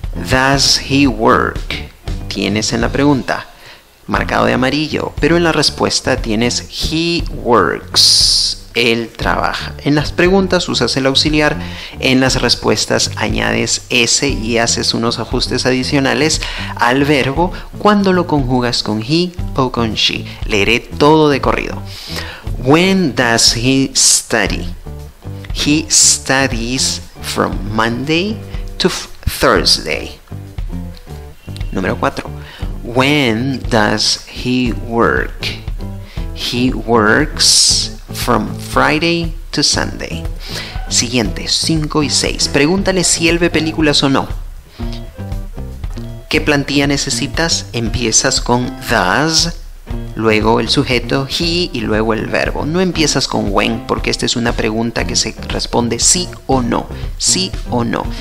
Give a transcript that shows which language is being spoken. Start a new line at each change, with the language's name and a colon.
English: Does he work?
Spanish: Tienes en la pregunta marcado de amarillo, pero en la respuesta tienes
English: he works.
Spanish: Él trabaja. En las preguntas usas el auxiliar, en las respuestas añades S y haces unos ajustes adicionales al verbo cuando lo conjugas con he o con she. Leeré todo de corrido.
English: When does he study? He studies from Monday to Thursday.
Spanish: Número 4.
English: When does he work? He works from Friday to Sunday.
Spanish: Siguiente, 5 y 6. Pregúntale si él ve películas o no. ¿Qué plantilla necesitas? Empiezas con does, luego el sujeto he y luego el verbo. No empiezas con when porque esta es una pregunta que se responde sí o no. Sí o no.